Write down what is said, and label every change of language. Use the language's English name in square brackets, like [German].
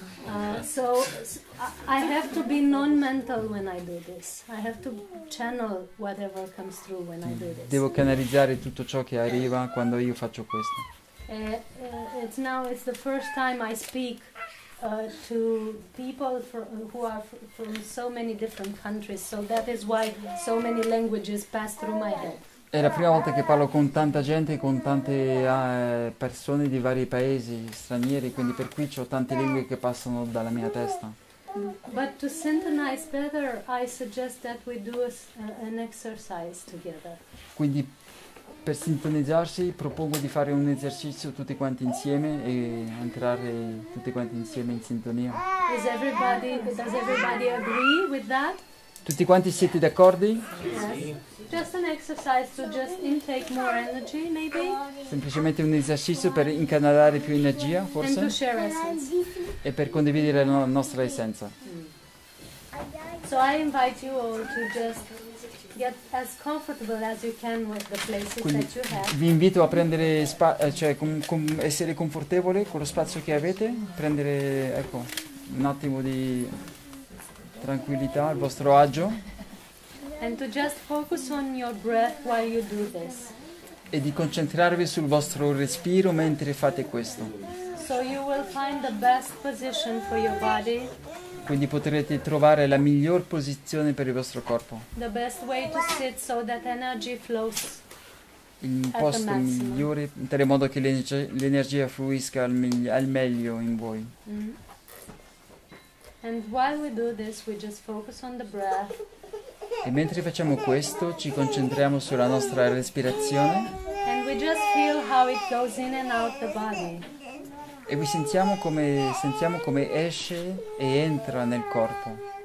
[English] I have to be non-mental when I do this. I have to channel whatever comes through when I do [Italian] Devo [English] this. [Italian] canalizzare tutto ciò che arriva quando io faccio questo. [English] It's the first time I speak to people who are from so many different countries, so that is why so many languages pass through my head. [Italian] È la prima volta che parlo con tanta gente, con tante persone di vari paesi stranieri, quindi per cui ho tante lingue che passano dalla mia testa. [English] But to synchronize better, I suggest that we do an exercise together. [Italian] Quindi per sintonizzarsi propongo di fare un esercizio tutti quanti insieme e entrare tutti quanti insieme in sintonia. [English] Does everybody agree with that? [Italian] Tutti quanti siete d'accordo? Sì. [English] Just an exercise to just intake more energy, maybe? [Italian] Semplicemente un esercizio per incanalare più energia, [English] And to [Italian] forse, [English] share essence. [Italian] e per condividere la nostra essenza. [English] So I invite you all to just get as comfortable as you can with the places [Italian] Quindi [English] that you have. [Italian] vi invito a prendere spazio, cioè essere confortevole con lo spazio che avete, prendere, ecco, un attimo di tranquillità, il vostro agio. [English] And to just focus on your breath while you do this. [Italian] E di concentrarvi sul vostro respiro mentre fate questo. [English] So you will find the best position for your body. [Italian] Quindi potrete trovare la miglior posizione per il vostro corpo. [English] The best way to sit so that energy flows [Italian] Il [English] at the [Italian] posto [English] maximum. [Italian] migliore, in tale modo che l'energia fluisca al meglio in voi. [English] And while we do this, we just focus on the breath. [Italian] E mentre facciamo questo, ci concentriamo sulla nostra respirazione. [English] And we just feel how it goes in and out the body. [Italian] E qui sentiamo come esce e entra nel corpo.